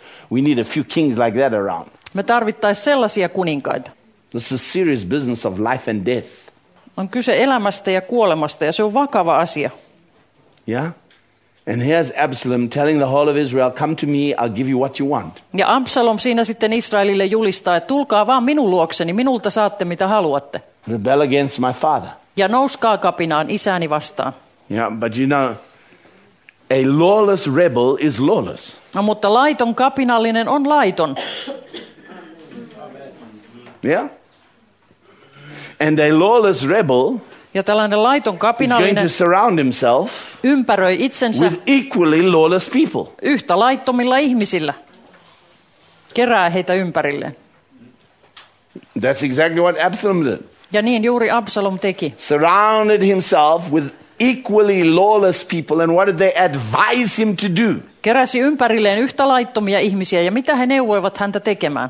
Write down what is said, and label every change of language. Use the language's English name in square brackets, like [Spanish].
[English] We need a few kings like that around. [Finnish] Me tarvittaisiin sellaisia kuninkaita. [English] This is serious business of life and death. [Finnish] On kyse elämästä ja kuolemasta ja se on vakava asia. Yeah. [English] And here's Absalom telling the whole of Israel, come to me, I'll give you what you want. [Finnish] Ja Absalom siinä sitten Israelille julistaa, että tulkaa vaan minun luokseni, minulta saatte mitä haluatte. [English] Rebel against my father. [Finnish] Ja nouskaa kapinaan isäni vastaan. [English] Yeah, but you know, a lawless rebel is lawless. [Finnish] No, mutta laiton kapinallinen on laiton. [English] Yeah. And a lawless rebel [Finnish] ja tällainen laiton kapinallinen [English] is going to surround himself [Finnish] ympäröi itsensä [English] with equally lawless people. [Finnish] Yhtä laittomilla ihmisillä. Kerää heitä ympärille. [English] That's exactly what Absalom did. [Finnish] Ja niin juuri Absalom teki. [English] Surrounded himself with equally lawless people and what did they advise him to do? [Finnish] Keräsi ympärilleen yhtä laittomia ihmisiä ja mitä he neuvoivat häntä tekemään?